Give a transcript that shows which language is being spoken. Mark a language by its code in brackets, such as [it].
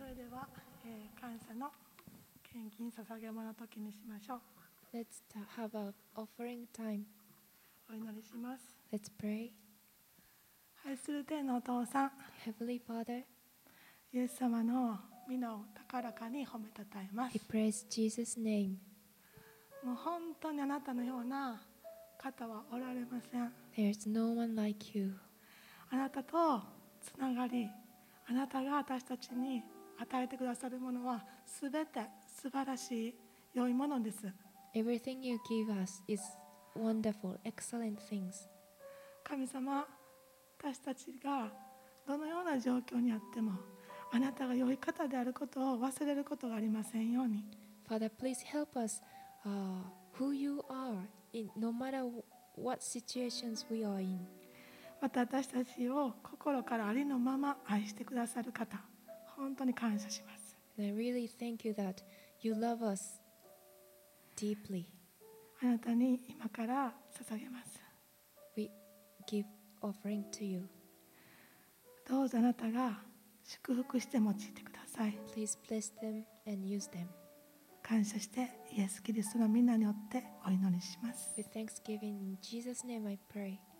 [ja] は、感謝の献金捧げ物の時にしましょう。 [en] Let's have an offering time. [ja] お祈りします。 [en] Let's pray. [ja] 愛する天のお父さん、 [en] Heavenly Father, [ja] イエス様の御名を高らかに褒めたたえます。 [en] He praises Jesus' name. [ja] もう本当にあなたのような方はおられません。 [en] There's no one like you. [ja] あなたとつながり、あなたが私たちに与えてくださるものはすべて素晴らしい良いものです。 [en] Everything you give us is wonderful, excellent things. [ja] 神様、私たちがどのような状況にあっても、あなたが良い方であることを忘れることがありませんように。 [en] Father, please help us, who you are, in no matter what situations we are in. [ja] また私たちを心からありのまま愛してくださる方、本当に感謝します。 [en] I really thank you that you love us. Deeply. [ja] あなたに今から捧げます。 [en] We give offering to you. [ja] どうぞあなたが祝福して用いてください。 [en] Please bless them and use them. [ja] 感謝してイエス・キリストのみんなによってお祈りします。 [en] With thanksgiving in Jesus' name I pray.